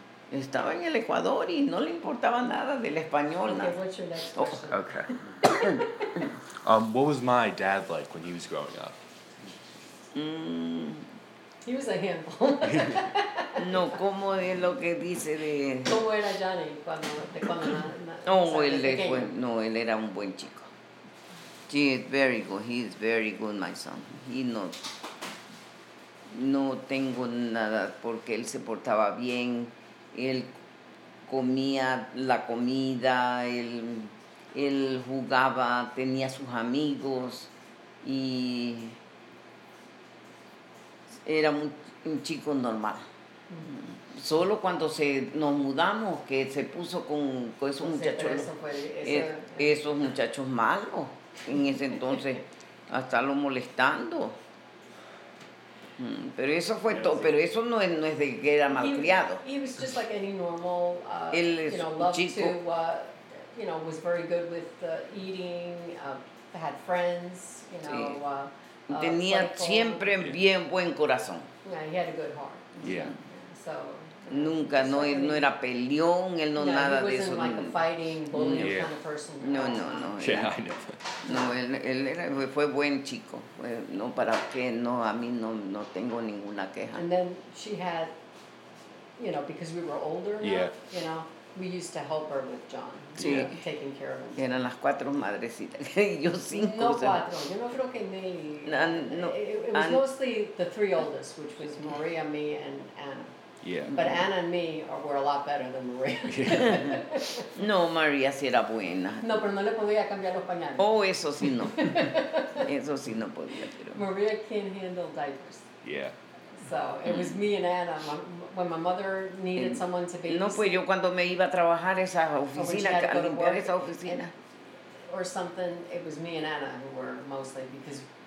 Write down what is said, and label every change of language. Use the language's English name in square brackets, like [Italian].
[Spanish] Estaba en el Ecuador y no le importaba nada del español. [English] Okay, what's your next question? Okay. What was my dad like when he was growing up? He was a handful. [Spanish] No, ¿cómo es lo que dice de...? ¿Cómo era Johnny cuando... No, él era un buen chico. [English] He is very good. He is very good, my son. He not... [Spanish] No tengo nada porque él se portaba bien. Él comía la comida. Él jugaba, tenía sus amigos. Y... Era un chico normal. Mm-hmm. Solo cuando nos mudamos, que se puso con esos muchachos. Sí, esos muchachos malos. En ese entonces, hasta lo molestando. Pero eso fue todo. Pero eso no es de que era malcriado. [English] He was just like any normal, [Spanish] él es [English] you know, loved [Spanish] chico. [English] To, you know, was very good with eating, had friends, you know. Sí. [Spanish] Tenía [English] playful. [Spanish] Siempre [English] yeah. [Spanish] Bien buen corazón. [English] Yeah, he had a good heart. Yeah. So, [Spanish] nunca, [English] so [Spanish] no, él no era peleón, él no, no nada [English] he wasn't [Spanish] de eso. [English] Like a fighting, bullying kind of person. [Spanish] No, no, no. [English] Yeah, [Spanish] era, [English] I know. [Spanish] No, él era, fue buen chico. No, para qué, no, a mí no tengo ninguna queja. [English] And then she had, you know, because we were older now, yeah. You know, we used to help her with John. [Spanish] Sí. [English] You know, taking care of him. [Spanish] Eran las cuatro madrecitas. Yo cinco. No, cuatro. Yo no creo que me... No, [English] it was mostly the three oldest, which was Maria, me, and Anna. Yeah. But Anna and me were a lot better than Maria. Yeah. [Spanish] No, Maria sí era buena. No, pero no le podía cambiar los pañales. Oh, eso sí no. Eso sí no podía. Pero... [English] Maria can't handle diapers. Yeah. So it was me and Anna. When my mother needed someone to babysit. [Spanish] No, pues yo cuando me iba a trabajar esa oficina, a limpiar esa oficina. [English] Or something, it was me and Anna who were mostly, because